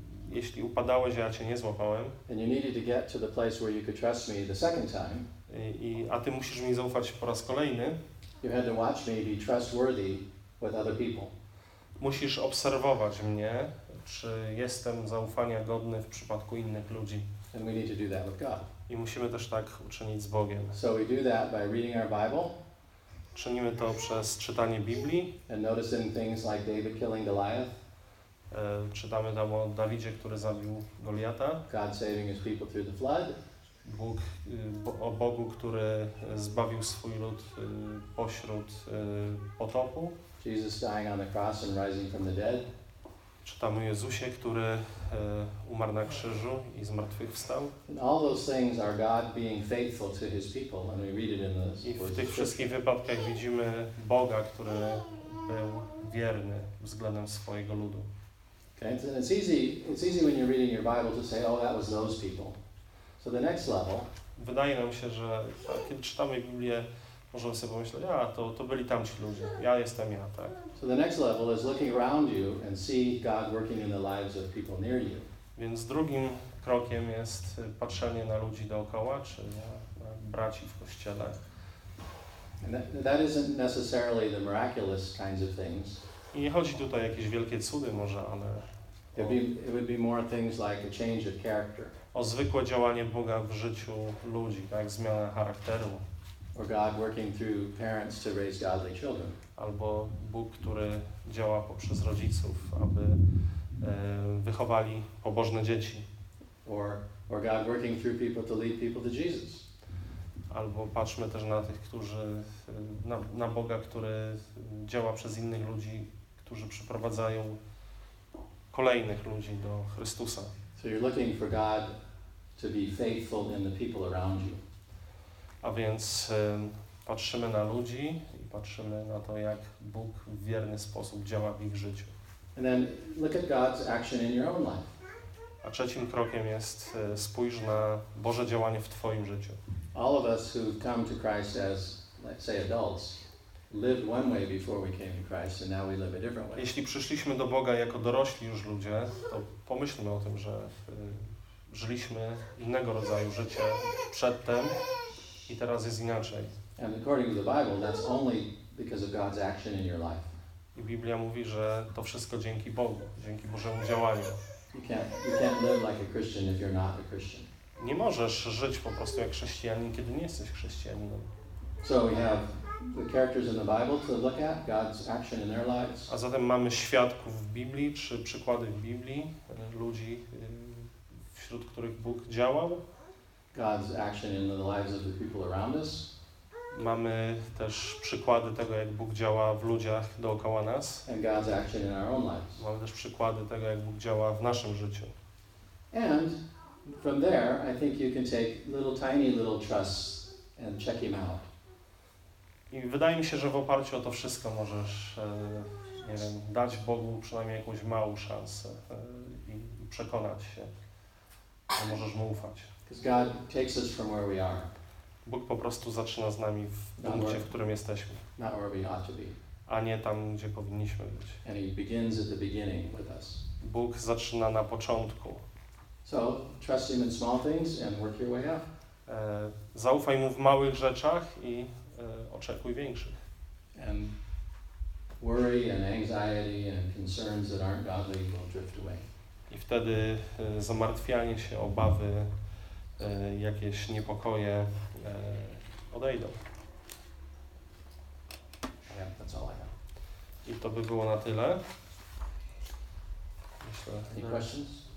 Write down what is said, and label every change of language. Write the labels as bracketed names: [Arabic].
[Polish] Jeśli upadałeś, a ja cię nie złapałem, [English] and you needed to get to the place where you could trust me the second time, [Polish] a ty musisz mi zaufać po raz kolejny, [English] you had to watch me be trustworthy with other people. [Polish] Musisz obserwować mnie, czy jestem zaufania godny w przypadku innych ludzi. [English] And we need to do that with God. [Polish] I musimy też tak uczynić z Bogiem. [English] So we do that by reading our Bible. [Polish] Czynimy to przez czytanie Biblii. [English] And noticing things like David killing Goliath. [Polish] Czytamy tam o Dawidzie, który zabił Goliata. [English] God saving his people through the flood. [Polish] Bóg, o Bogu, który zbawił swój lud pośród potopu. [English] Jesus dying on the cross and rising from the dead. [Polish] Czytamy o Jezusie, który umarł na krzyżu i zmartwychwstał. [English] And all those things are God being faithful to his people, and we read it in the [Polish] I w tych wszystkich wypadkach widzimy Boga, który był wierny względem swojego ludu. [English] Okay, and it's easy when you're reading your Bible to say, oh, that was those people. So the next level. [Polish] Wydaje nam się, że kiedy czytamy Biblię, możemy sobie pomyśleć, a to byli tamci ludzie, ja jestem ja, tak. [English] So the next level is looking around you and see God working in the lives of people near you. [Polish] Więc drugim krokiem jest patrzenie na ludzi dookoła, czy na braci w kościele. [English] And that isn't necessarily the miraculous kinds of things. [Polish] I nie chodzi tutaj o jakieś wielkie cudy może, ale [English] it would be more things like a change of character. [Polish] O zwykłe działanie Boga w życiu ludzi, tak, zmiana charakteru. [English] Or God working through parents to raise godly children. [Polish] Albo Bóg, który działa poprzez rodziców, aby wychowali pobożne dzieci. [English] Or God working through people to lead people to Jesus. [Polish] Albo patrzmy też na tych, którzy na Boga, który działa przez innych ludzi, którzy przyprowadzają kolejnych ludzi do Chrystusa. [English] So you're looking for God to be faithful in the people around you. [Polish] A więc patrzymy na ludzi i patrzymy na to, jak Bóg w wierny sposób działa w ich życiu. [English] And then look at God's action in your own life. [Polish] A trzecim krokiem jest spójrz na Boże działanie w twoim życiu. [English] All of us who've come to Christ as, let's say, adults, lived one way before we came to Christ, and now we live a different way. [Polish] Jeśli przyszliśmy do Boga jako dorośli już ludzie, to pomyślmy o tym, że żyliśmy innego rodzaju życie przedtem i teraz jest inaczej. [English] And according to the Bible, that's only because of God's action in your life. [Polish] I Biblia mówi, że to wszystko dzięki Bogu, dzięki Bożemu działaniu. [English] You can't live like a Christian if you're not a Christian. [Polish] Nie możesz żyć po prostu jak chrześcijanin, kiedy nie jesteś chrześcijaninem. [English] So we have the characters in the Bible to look at, God's action in their lives. [Polish] A zatem mamy świadków w Biblii, czy przykłady w Biblii, ludzi, wśród których Bóg działał. [English] God's action in the lives of the people around us. [Polish] Mamy też przykłady tego, jak Bóg działa w ludziach dookoła nas. [English] And God's action in our own lives. [Polish] Mamy też przykłady tego, jak Bóg działa w naszym życiu. [English] And from there, I think you can take little tiny little trusts and check him out. [Polish] I wydaje mi się, że w oparciu o to wszystko możesz nie wiem, dać Bogu przynajmniej jakąś małą szansę i przekonać się, że możesz Mu ufać. [English] God takes us from where we are. [Polish] Bóg po prostu zaczyna z nami w punkcie, w którym jesteśmy. [English] Not where we ought to be. [Polish] A nie tam, gdzie powinniśmy być. [English] And he begins at the beginning with us. [Polish] Bóg zaczyna na początku. [English] So, trust him in small things and work your way up. [Polish] Zaufaj Mu w małych rzeczach i oczekuj większych. [English] And worry and anxiety and concerns that aren't godly will drift away. [Polish] I wtedy zamartwianie się, obawy, jakieś niepokoje odejdą. [English] Yeah, that's all I have. [Polish] I to by było na tyle. Myślę, [English] any questions?